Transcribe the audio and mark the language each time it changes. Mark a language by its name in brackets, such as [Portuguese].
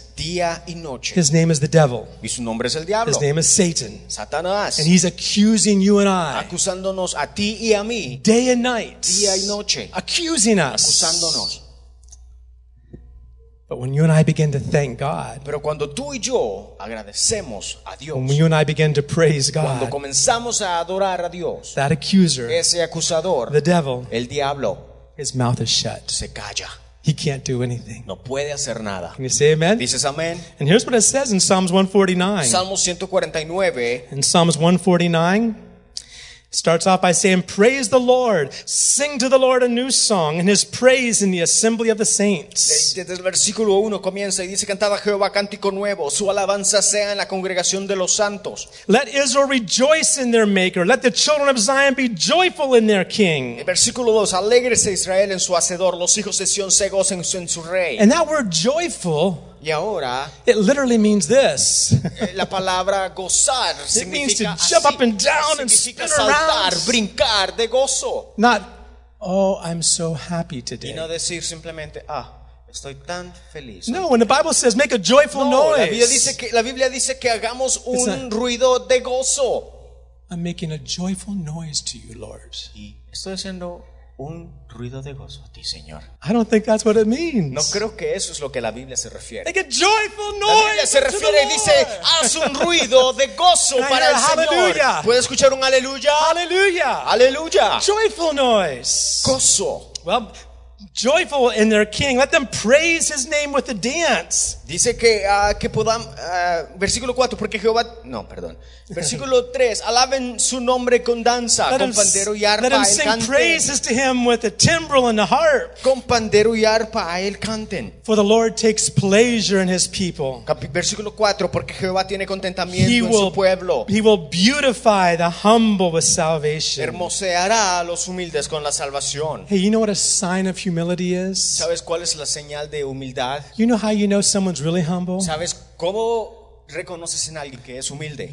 [Spanish] día y noche. [English] His name is the devil, [Spanish] y su nombre es el diablo. [English] His name is Satan, [Spanish] Satanás, [English] and he's accusing you and I, [Spanish] acusándonos a ti y a mí, [English] day and night, [Spanish] día y noche, [English] accusing us, [Spanish] acusándonos. [English] But when you and I begin to thank God, [Spanish] pero cuando tú y yo agradecemos a Dios, [English] when you and I begin to praise God, [Spanish] cuando comenzamos a adorar a Dios, [English] that accuser, [Spanish] ese acusador, [English] the devil, [Spanish] el diablo, [English] his mouth is shut. [Spanish] Se calla. [English] He can't do anything. [Spanish] No puede hacer nada. [English] Can you say amen? [Spanish] Dices amén. [English] And here's what it says in Psalms 149. [Spanish] Salmos 149. [English] In Psalms 149. Starts off by saying, "Praise the Lord, sing to the Lord a new song, and his praise in the assembly of the saints." [Spanish] Desde el versículo 1 comienza y dice, "Cantad a Jehová cántico nuevo, su alabanza sea en la congregación de los santos." [English] Let Israel rejoice in their maker, let the children of Zion be joyful in their king. [Spanish] El versículo 2, "Alégrese Israel en su hacedor, los hijos de Sion se gocen en su rey." [English] And that word joyful, [Spanish] y ahora, [English] it literally means this. [Spanish] La palabra gozar significa [English] it means to jump [Spanish] así, [English] up and down and spin [Spanish] saltar, [English] around. [Spanish] Brincar de gozo. [English] Not, "Oh, I'm so happy today." [Spanish] Y no decir simplemente, "Ah, estoy tan feliz." [English] No, when the Bible says make a joyful noise. [Spanish] La Biblia dice que hagamos un ruido de gozo. [English] "I'm making a joyful noise to you, Lord." [Spanish] Estoy haciendo un ruido de gozo a ti, Señor. [English] I don't think that's what it means. [Spanish] No creo que eso es lo que la Biblia se refiere. [English] Make a joyful noise. [Spanish] La Biblia se refiere y dice, haz un ruido de gozo para el Señor. ¿Puedes escuchar un aleluya? Aleluya. Aleluya. [English] Joyful noise. [Spanish] Gozo. [English] Well, joyful in their king. Let them praise his name with a dance. [Spanish] Dice que podamos, versículo 4, porque Jehová, no, perdón. Versículo 3, alaben su nombre con danza, [English] let [Spanish] con pandero y arpa, [English] let him sing [Spanish] canten. [English] Praises to him with a timbrel and a harp. [Spanish] Con pandero y arpa, a él canten. [English] For the Lord takes pleasure in his people. [Spanish] Versículo 4, porque Jehová tiene contentamiento en su pueblo. [English] He will beautify the humble with salvation. [Spanish] Hermoseará a los humildes con la salvación. [English] Hey, you know what a sign of humility is? [Spanish] ¿Sabes cuál es la señal de humildad? [English] You know how you know someone's really humble? [Spanish] ¿Sabes cómo reconoces en alguien que es humilde?